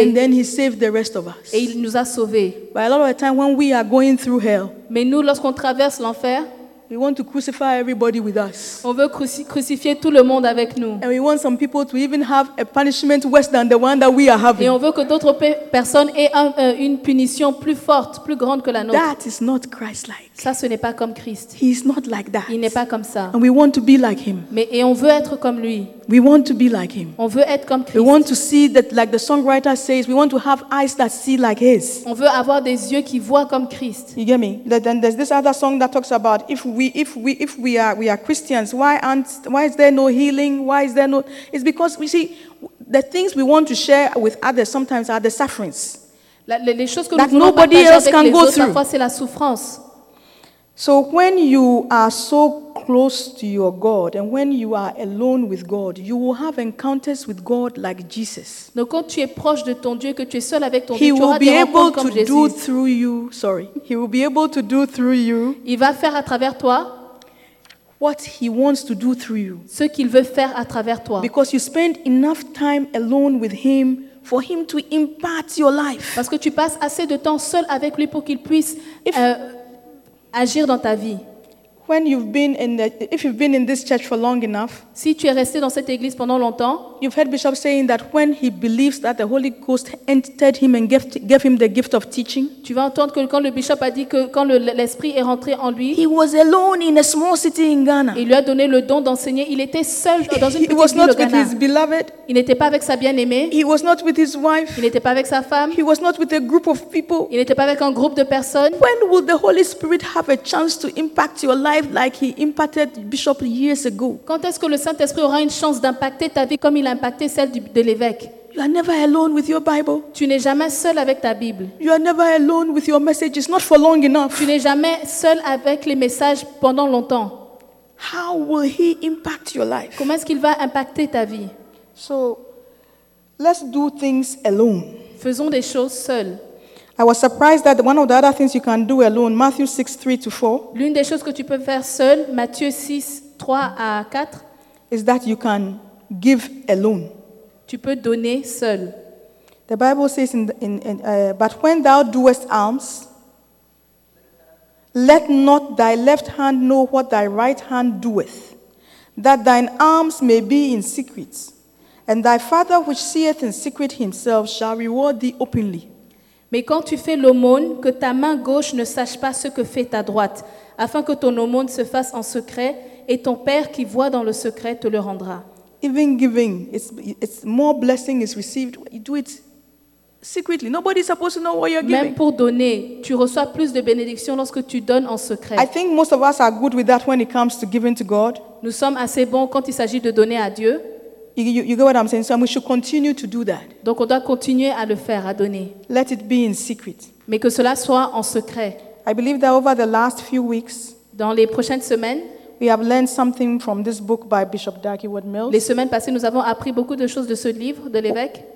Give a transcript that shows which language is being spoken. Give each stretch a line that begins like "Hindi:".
English: And then he saved the rest of us.
French: Et il nous a sauvés.
English: But a lot of the time when we are going through hell,
French: mais nous, lorsqu'on traverse l'enfer,
English: we want to crucify everybody with us.
French: On veut crucifier tout le monde avec nous.
English: And we want some people to even have a punishment worse than the one that we are having.
French: Et on veut que d'autres personnes aient une punition plus forte, plus grande que la nôtre.
English: That is not Christ-like.
French: Ça, ce n'est pas comme Christ.
English: He is not like that.
French: Il n'est pas comme ça.
English: And we want to be like him.
French: Mais et on veut être comme lui.
English: We want to be like him.
French: On veut être comme Christ.
English: We want to see that, like the songwriter says, we want to have eyes that see like his.
French: On veut avoir des yeux qui voient comme Christ.
English: You get me? Then there's this other song that talks about if we are Christians, why is there no healing? Why is there no? It's because we see the things we want to share with others sometimes are the sufferings
French: les choses que
English: that
French: nous
English: nobody else can go through.
French: Parfois, c'est la souffrance.
English: So when you are so close to your God and when you are alone with God, you will have encounters with God like Jesus.
French: Donc quand tu es proche de ton Dieu, que tu es seul avec ton
English: he will
French: tu
English: be
French: auras
English: able
French: des rencontres
English: to
French: comme
English: do through you. Sorry, he will be able to do through you.
French: Il va faire à travers toi.
English: What he wants to do through you.
French: Ce qu'il veut faire à travers toi.
English: Because you spend enough time alone with him for him to impart your life.
French: Parce que tu passes assez de temps seul avec lui pour qu'il puisse agir dans ta vie.
English: When you've been in if you've been in this church for long enough,
French: si tu es resté dans cette église pendant longtemps,
English: you've heard Bishop saying that when he believes that the Holy Ghost entered him and gave him the gift of teaching,
French: tu vas entendre que quand le bishop a dit que quand l'esprit est rentré en lui,
English: he was alone in a small city in Ghana.
French: Il lui a donné le don d'enseigner. Il était seul dans une petite ville au Ghana.
English: He was not with his beloved.
French: Il n'était pas avec sa bien-aimée.
English: He was not with his wife.
French: Il n'était pas avec sa femme.
English: He was not with a group of people.
French: Il n'était pas avec un groupe de personnes.
English: When will the Holy Spirit have a chance to impact your life like he impacted Bishop years ago?
French: Quand est-ce que le Saint-Esprit aura une chance d'impacter ta vie comme il a impacté celle de l'évêque?
English: You are never alone with your Bible.
French: Tu n'es jamais seul avec ta Bible.
English: You are never alone with your message. It's not for long enough.
French: Tu n'es jamais seul avec les messages pendant longtemps.
English: How will he impact your life?
French: Comment est-ce qu'il va impacter ta vie?
English: So, let's do things alone.
French: Faisons des choses seuls.
English: I was surprised that one of the other things you can do alone, Matthew 6, 3 to 4.
French: L'une des choses que tu peux faire seul, Matthieu 6, 3 à 4,
English: is that you can give alone.
French: Tu peux donner seul.
English: The Bible says but when thou doest alms, let not thy left hand know what thy right hand doeth, that thine alms may be in secret, and thy Father which seeth in secret himself shall reward thee openly.
French: Mais quand tu fais l'aumône, que ta main gauche ne sache pas ce que fait ta droite, afin que ton aumône se fasse en secret, et ton Père qui voit dans le secret te le rendra.
English: Even giving, it's more blessing is received. You do it secretly. Nobody's supposed to know what you're giving.
French: Même pour donner, tu reçois plus de bénédictions lorsque tu donnes en secret.
English: I think most of us are good with that when it comes to giving to God.
French: Nous sommes assez bons quand il s'agit de donner à Dieu.
English: You get what I'm saying? So we should continue to do that.
French: Donc on doit continuer à le faire, à donner.
English: Let it be in secret.
French: Mais que cela soit en secret.
English: I believe that over the last few weeks,
French: dans les prochaines semaines,
English: we have learned something from this book by Bishop Dagwood Mills.
French: Les semaines passées, nous avons appris beaucoup de choses de ce livre de l'évêque.